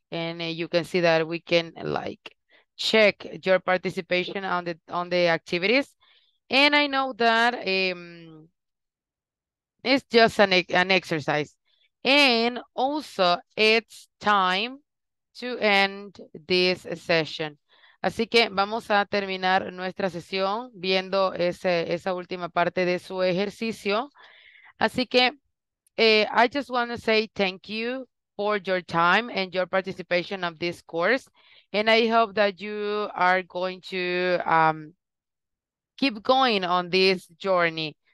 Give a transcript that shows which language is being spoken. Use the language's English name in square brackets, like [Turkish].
[English] And you can see that we can like check your participation on the activities. And I know that it's just an exercise. And also it's time to end this session. [Spanish] Así que vamos a terminar nuestra sesión viendo esa última parte de su ejercicio. Así que [English] I just want to say thank you for your time and your participation of this course. And I hope that you are going to keep going on this journey.